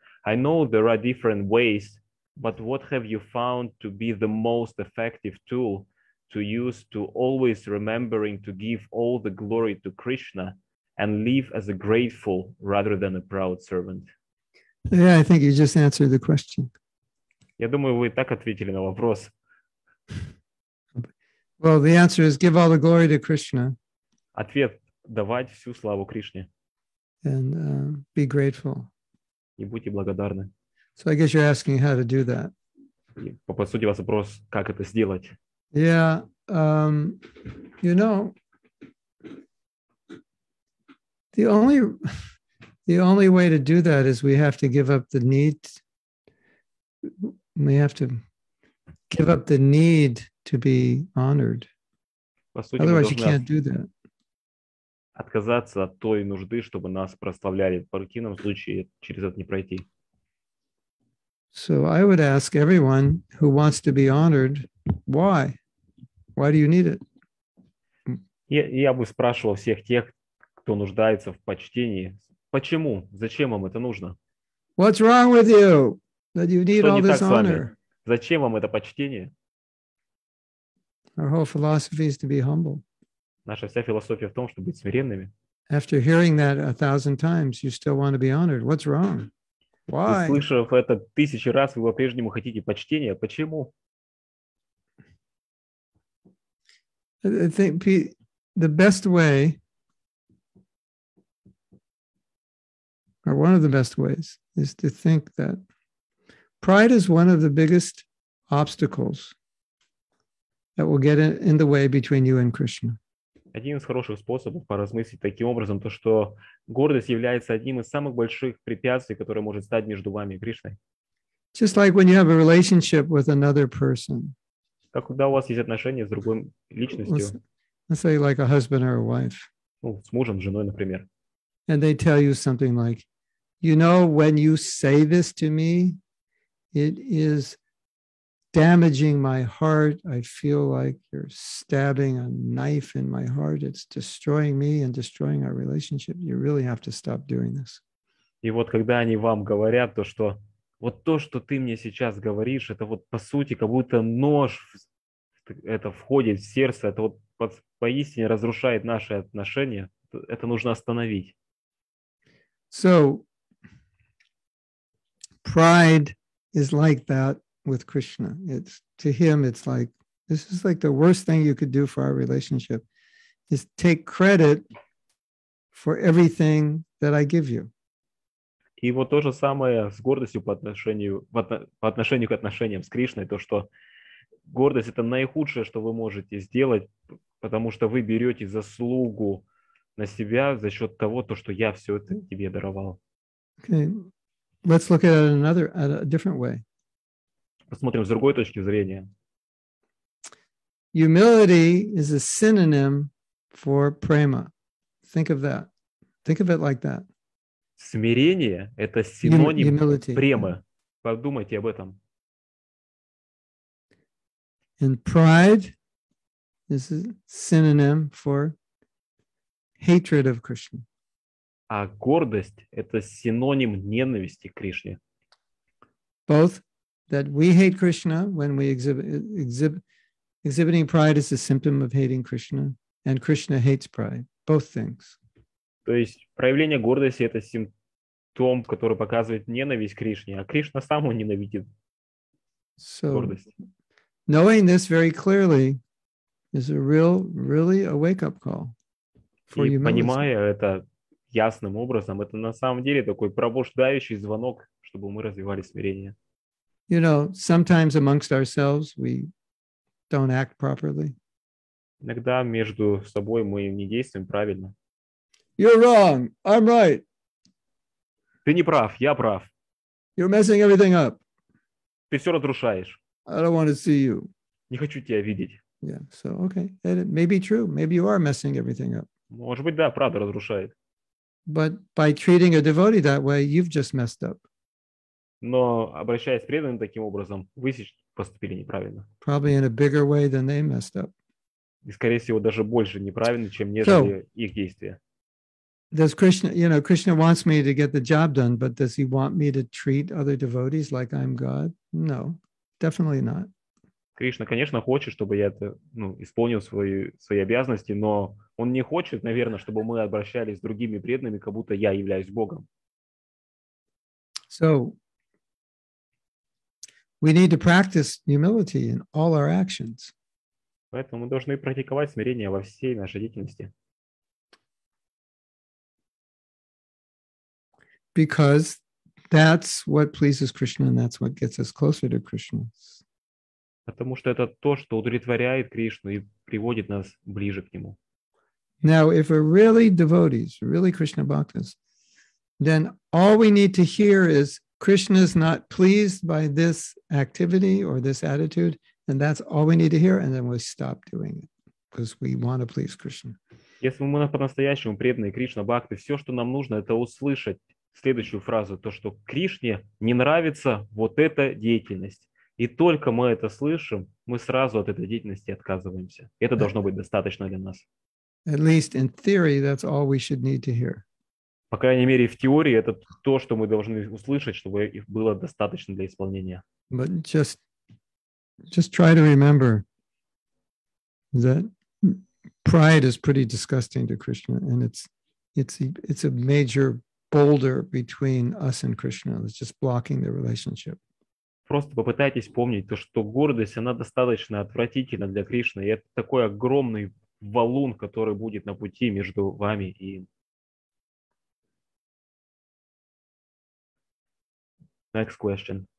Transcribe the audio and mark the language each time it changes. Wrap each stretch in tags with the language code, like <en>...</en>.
<en>I know there are different ways, but what have you found to be the most effective tool to use to always remembering to give all the glory to Krishna and live as a grateful rather than a proud servant? Yeah, I think you just answered the question.</en> <ru>Я думаю, вы и так ответили на вопрос.</ru> <en>Well, the answer is give all the glory to Krishna.</en> <ru>Ответ – давать всю славу Кришне.</ru> <en>And be grateful.</en> <ru>И будьте благодарны.</ru> <en>So I guess you're asking how to do that.</en> <ru>По сути, у вас вопрос, как это сделать.</ru> <en>Yeah, you know, the only way to do that is we have to give up the need. We have to give up the need to be honored. Otherwise, you can't do that.</en> <ru>Отказаться от той нужды, чтобы нас прославляли. В противном случае через это не пройти.</ru> <en>So I would ask everyone who wants to be honored, why? Why do you need it?</en> <ru>Я бы спрашивал всех тех, кто нуждается в почтении, почему, зачем вам это нужно?</ru> <en>What's wrong with you that you need</en> <ru>Что</ru> <en>all this honor?</en> <ru>Зачем вам это почтение?</ru> <en>Our whole philosophy is to be humble.</en> <ru>Наша вся философия в том, чтобы быть смиренными.</ru> <en>After hearing that 1,000 times, you still want to be honored. What's wrong? Why?</en> <ru>Услышав это 1,000 раз, вы по-прежнему хотите почтения. Почему?</ru> <en>I think the best way, or one of the best ways, is to think that pride is one of the biggest obstacles that will get in the way between you and Krishna.</en> <ru>Один из хороших способов поразмыслить таким образом, то, что гордость является одним из самых больших препятствий, которое может стать между вами и Кришной.</ru> <en>Just like when you have a relationship with another person.</en> <ru>Как когда у вас есть отношения с другой личностью.</ru> <en>Let's say like a husband or a wife.</en> <ru>Ну, с мужем, с женой, например.</ru> <en>And they tell you something like, you know, when you say this to me, it is damaging my heart. I feel like you're stabbing a knife in my heart. It's destroying me and destroying our relationship. You really have to stop doing this.</en> <ru>И вот когда они вам говорят то, что вот то, что ты мне сейчас говоришь, это вот по сути как будто нож это входит в сердце, это вот поистине разрушает наши отношения. Это нужно остановить.</ru> <en>So pride is like that. With Krishna, it's to him. It's like this is like the worst thing you could do for our relationship, is take credit for everything that I give you.</en> <ru>И вот то же самое с гордостью по отношению к отношениям с Кришной, то что гордость это наихудшее, что вы можете сделать, потому что вы берете заслугу на себя за счет того, то что я все это тебе даровал.</ru> <en>Okay, let's look at it another at a different way.</en> <ru>Посмотрим с другой точки зрения.</ru> <en>Humility is a synonym for prema. Think of that. Think of it like that.</en> <ru>Смирение – это синоним премы. Подумайте об этом.</ru> <en>And pride is a synonym for hatred of Krishna.</en> <ru>А гордость – это синоним ненависти к Кришне.</ru> <en>Both. That we hate Krishna when we exhibiting pride is a symptom of hating Krishna, and Krishna hates pride. Both things.</en> <ru>То есть проявление гордости это симптом, который показывает ненависть к Кришне, а Кришна сам его ненавидит.</ru> <en>So,</en> <ru>гордость.</ru> <en>Knowing this very clearly is a real, really a wake-up call for humility.</en> <ru>И понимая это ясным образом, это на самом деле такой пробуждающий звонок, чтобы мы развивали смирение.</ru> <en>You know, sometimes amongst ourselves we don't act properly.</en> <ru>Иногда между собой мы не действуем правильно.</ru> <en>You're wrong. I'm right.</en> <ru>Ты не прав, я прав.</ru> <en>You're messing everything up.</en> <ru>Ты все разрушаешь.</ru> <en>I don't want to see you.</en> <ru>Не хочу тебя видеть.</ru> <en>Yeah. So okay. It may be true. Maybe you are messing everything up.</en> <ru>Может быть, да, правда разрушает.</ru> <en>But by treating a devotee that way, you've just messed up.</en> <ru>Но, обращаясь к преданным таким образом, вы поступили неправильно.</ru> <en>Probably in a bigger way than they messed up.</en> <ru>И, скорее всего, даже больше неправильно, чем нежели их действия.</ru> <en>Does Krishna, you know, Krishna wants me to get the job done, but does he want me to treat other devotees like I'm God? No, definitely not.</en> <ru>Кришна, конечно, хочет, чтобы я это, ну, исполнил свои обязанности, но он не хочет, наверное, чтобы мы обращались с другими преданными, как будто я являюсь Богом.</ru> <en>So, We need to practice humility in all our actions.</en> <ru>Поэтому мы должны практиковать смирение во всей нашей деятельности.</ru> <en>Because that's what pleases Krishna, and that's what gets us closer to Krishna.</en> <ru>Потому что это то, что удовлетворяет Кришну и приводит нас ближе к Нему.</ru> <en>Now, if we're really devotees, really Krishna bhaktas, then all we need to hear is Krishna's not pleased by this activity or this attitude, and that's all we need to hear, and then we stop doing it because we want to please Krishna.</en> <ru>Если мы по-настоящему преданные Кришна бхакты, все, что нам нужно, это услышать следующую фразу, то, что Кришне не нравится вот эта деятельность. И только мы это слышим, мы сразу от этой деятельности отказываемся. Это должно быть достаточно для нас.</ru> <en>At least in theory, that's all we should need to hear.</en> <ru>По крайней мере, в теории, это то, что мы должны услышать, чтобы их было достаточно для исполнения.</ru> <en>But just try to remember that pride is pretty disgusting to Krishna, and it's a major boulder between us and Krishna. It's just blocking the relationship.</en> <ru>Просто попытайтесь помнить то, что гордость, она достаточно отвратительна для Кришны. И это такой огромный валун, который будет на пути между вами и им.</ru> <en>Next question.</en>